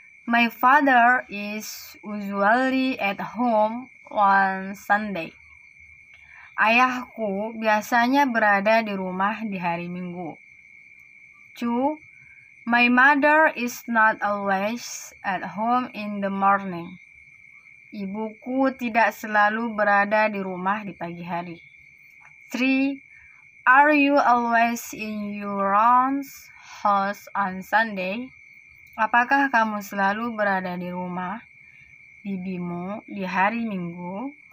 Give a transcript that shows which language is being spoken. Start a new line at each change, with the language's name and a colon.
English: My father is usually at home on Sunday.
Indonesian: Ayahku biasanya berada di rumah di hari Minggu. 2.
English: My mother is not always at home in the morning.
Indonesian: Ibuku tidak selalu berada di rumah di pagi hari. 3.
English: Are you always in your aunt's house on Sunday?
Indonesian: Apakah kamu selalu berada di rumah bibimu di hari Minggu?